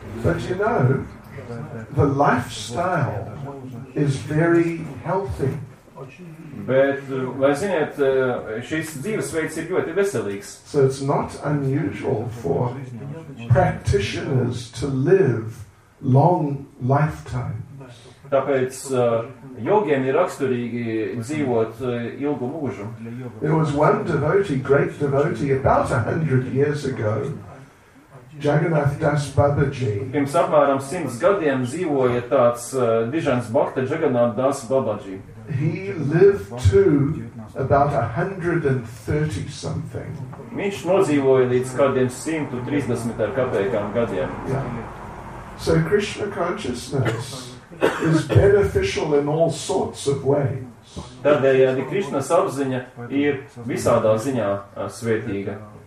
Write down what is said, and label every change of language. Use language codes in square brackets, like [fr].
[en] But you know, the lifestyle is very healthy. [lv] Bet, vai ziniet, šis dzīvesveids ir ļoti veselīgs. [en] So it's not unusual for practitioners to live long lifetimes. [lv] Tāpēc jogiem ir raksturīgi dzīvot ilgu mūžu. [en] There was one devotee, great devotee, about 100 years ago, Jagannath Das Babaji. [lv] Pirms apmēram 100 gadiem dzīvoja tāds Dižans Bhakta Jagannath Das Babaji. [en] He lived to about 130 something. [lv] Viņš nodzīvoja līdz kādiem 130 ar kapeikām gadiem. [en] Yeah. So Krishna consciousness is beneficial in all sorts of ways. [lv] Tādējādi Krishnas apziņa ir visādā ziņā svētīga.